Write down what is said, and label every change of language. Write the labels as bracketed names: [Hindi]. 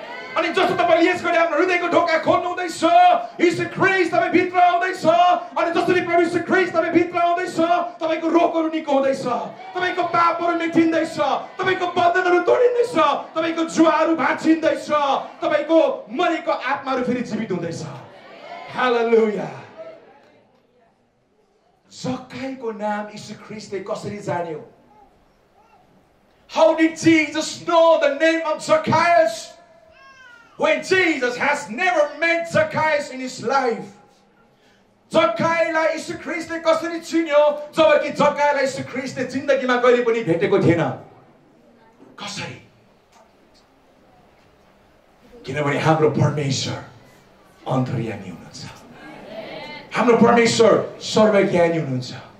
[Nepali] अनि जस्तो तपाईँले यस गरी आफ्नो हृदयको ढोका खोल्नुहुँदैछ यीशु ख्रीष्ट तपाईँ भित्र आउँदैछ अनि जसरी प्रभु यीशु ख्रीष्ट तपाईँ भित्र आउँदैछ तपाईँको रोगहरू निको हुँदैछ तपाईँको पापहरू मेटिँदैछ तपाईँको बन्धनहरू तोडिँदैछ तपाईँको जुवाहरू भाँचिँदैछ तपाईँको मरेको आत्माहरू फेरि जीवित हुँदैछ हालेलुया जखाइको नाम यीशु ख्रीष्टले कसरी जान्यो [English] How did Jesus know the name of Zacchaeus? When Jesus has never met Zacchaeus in his life. [Nepali] जखाइलाई यीशु ख्रीष्टले कसरी चिन्यो जबकि जखाइलाई यीशु ख्रीष्टले जिन्दगीमा कहिले पनि भेटेको थिएन कसरी किनभने हाम्रो परमेश्वर अन्तर्यामी हुनुहुन्छ हाम्रो परमेश्वर सर्वज्ञानी हुनुहुन्छ